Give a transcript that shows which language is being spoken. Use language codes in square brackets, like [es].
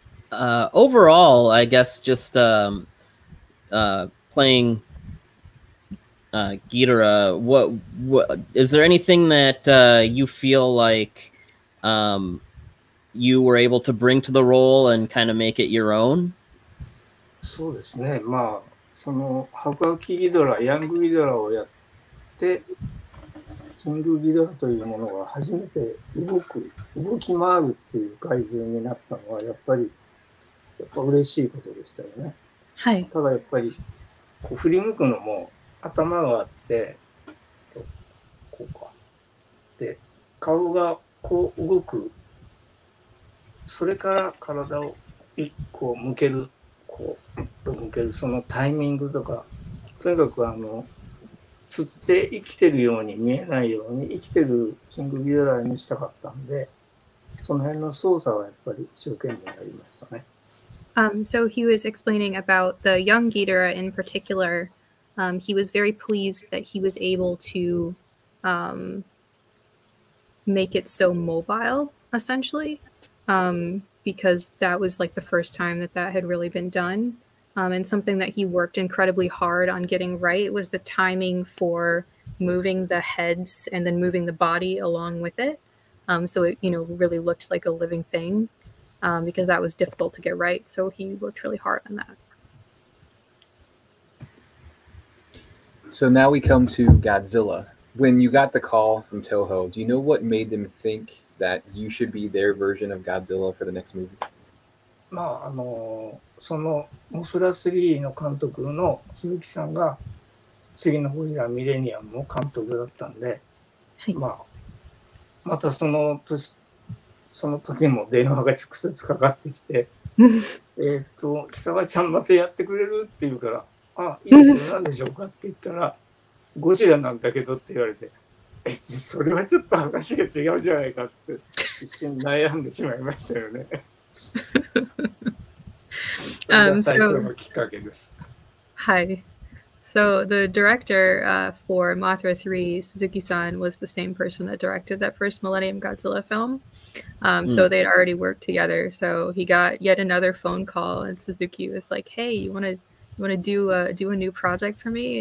[en] Overall, I guess just playing Ghidorah, is there anything that you feel like... you were able to bring to the role and kind of make it your own? [ja] そうですね。まあ、その白亜紀ギドラ、ヤングギドラをやって、キングギドラというものが初めて動き回るっていう怪獣になったのは、やっぱ嬉しいことでしたよね。はい。ただやっぱり、こう振り向くのも頭があって、こうか。で、顔がこう動く。それから体をこう向ける、こうと向ける、そのタイミングとか、とにかくあの釣って生きてるように見えないように生きてるキングギドラにしたかったんで、その辺の操作はやっぱり一生懸命やりましたね。 [en] So he was explaining about the young Ghidorah in particular. He was very pleased that he was able to make it so mobile, essentially, because that was like the first time that that had really been done. And something that he worked incredibly hard on getting right was the timing for moving the heads and then moving the body along with it. So it, you know, really looked like a living thing. Because that was difficult to get right, so he worked really hard on that. So now we come to Godzilla. When you got the call from Toho, do you know what made them think that you should be their version of Godzilla for the next movie? [ja] まあ、あの、その、モスラ3の監督の鈴木さんが、次のゴジラミレニアムの監督だったんで、はい、まあ、またその年、その時も電話が直接かかってきて、貴様ちゃんまたやってくれるって言うから、あ、いいですよ、何でしょうかって言ったら、ゴジラなんだけどって言われて、え、それはちょっと話が違うじゃないかって、一瞬悩んでしまいましたよね。それが最初のきっかけです。はい。 [en] So the director for Mothra 3, Suzuki-san, was the same person that directed that first Millennium Godzilla film. So they'd already worked together. So he got yet another phone call and Suzuki was like, hey, you want to do a new project for me?